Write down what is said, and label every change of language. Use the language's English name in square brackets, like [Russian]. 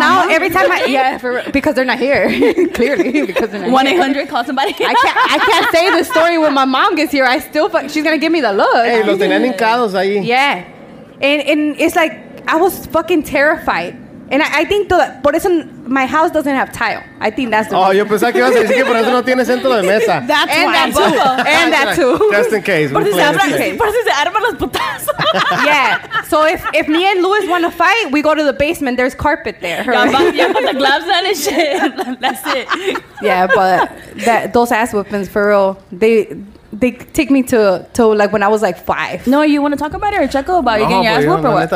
[English] So now every time I, yeah, because they're not here, clearly, because they're not 1-800, call somebody. I can't say the story when my mom gets here. I still, she's going to give me the look. [Spanish] Hey, los tenían hincados ahí. [English] Yeah. And it's like, I was fucking terrified. And I think [Spanish] por eso [English] my house doesn't have tile. I think that's the [Spanish] reason. Yo pensaba que ibas a decir que por eso no tiene centro de mesa. [English] That's and why. That too. And that too. Just in case. [Spanish] Por si se arma, por si se arma los putazos. [English] Yeah. So if me and Luis want to fight, we go to the basement. There's carpet there. Right? Yeah, put the gloves on and shit. That's it. Yeah, but those ass whoopings, for real, they take me to like when I was like 5. No, you want to talk about it or check about you getting your ass whooped or what?